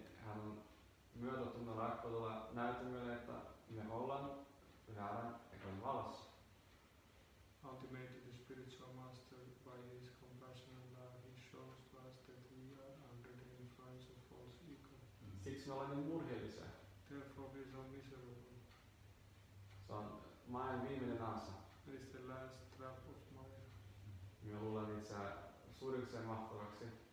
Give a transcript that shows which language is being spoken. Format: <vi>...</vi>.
<fi>on myötätunnon rakkaudella näytämme, että me ollaan väärän ekon valossa.</fi> <en>Ultimately, the spiritual master, by his compassion and love, he shows to us that we are under the influence of false ego.</en> <fi>Siksi me olemme murheellisia.</fi> <en>Therefore, we are miserable.</en> <fi>Se on maailman viimeinen ansa.</fi> <en>It is the last trap of Maya.</en> <fi>Me luulen itseä suuriksi ja mahtavaksi.</fi>